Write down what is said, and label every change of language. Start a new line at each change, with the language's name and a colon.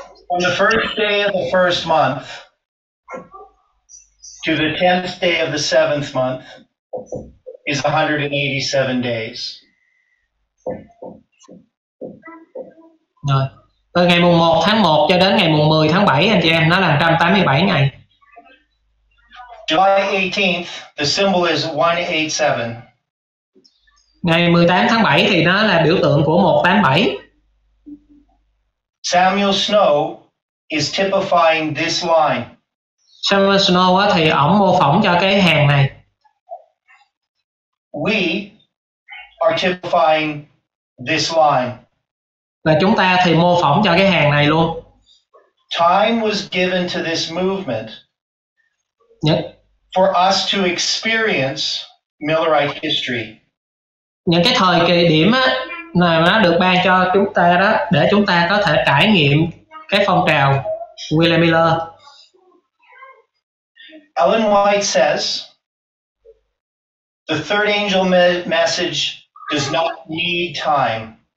English: On the first day of the first month to the 10th day of the 7th month is 187 days.
Vietnamese: Rồi. Từ ngày mùng 1 tháng 1 cho đến ngày mùng 10 tháng 7 anh chị em, nó là 187 ngày.
English: July 18th, the symbol is 187.
Vietnamese: Ngày 18 tháng 7 thì nó là biểu tượng của 187.
English: Samuel Snow is typifying this line.
Vietnamese: Samuel Snow á, thì ổng mô phỏng cho cái hàng này.
English: We are typifying this line.
Vietnamese: Và chúng ta thì mô phỏng cho cái hàng này luôn.
English: Time was given to this movement. Yep. For us to experience Millerite history.
Vietnamese: Những cái thời kỳ điểm á, mà nó được ban cho chúng ta đó, để chúng ta có thể trải nghiệm cái phong trào William Miller.
English: Ellen White says, the third angel message does not need time.